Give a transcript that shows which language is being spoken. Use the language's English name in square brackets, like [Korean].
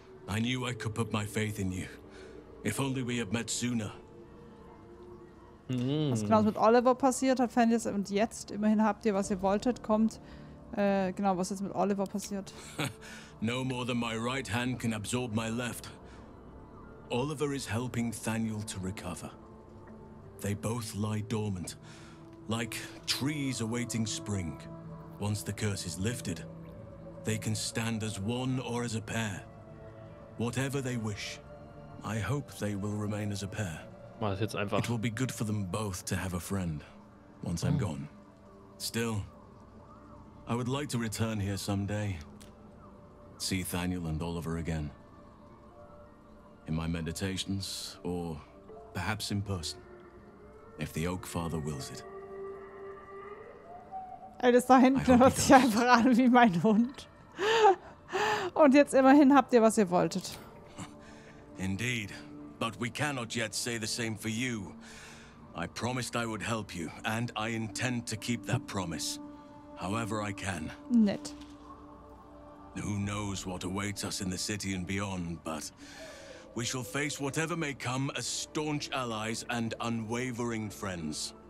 [English] I knew I could put my faith in you. If only we had met sooner. [German] Was genau mit Oliver passiert hat, Fendis, und jetzt, immerhin habt ihr, was ihr wolltet, kommt. Genau, was jetzt mit Oliver passiert. [English] No more than my right hand can absorb my left. Oliver is helping Thaniel to recover. They both lie dormant, like trees awaiting spring. Once the curse is lifted, they can stand as one or as a pair. Whatever they wish, I hope they will remain as a pair. [German] Mach das jetzt einfach. [English] It will be good for them both to have a friend, once I'm gone. Still, I would like to return here someday. See Thaniel and Oliver again. In my meditations, or perhaps in person, if the Oak Father wills it. [German] Ey, das da hinten hört sich einfach an wie mein Hund. Und jetzt immerhin habt ihr, was ihr wolltet. [English] Indeed, but we cannot yet say the same for you. I promised I would help you, and I intend to keep that promise, however I can. [German] Nett. [English] Who knows what awaits us in the city and beyond, but we shall face whatever may come as staunch allies and unwavering friends.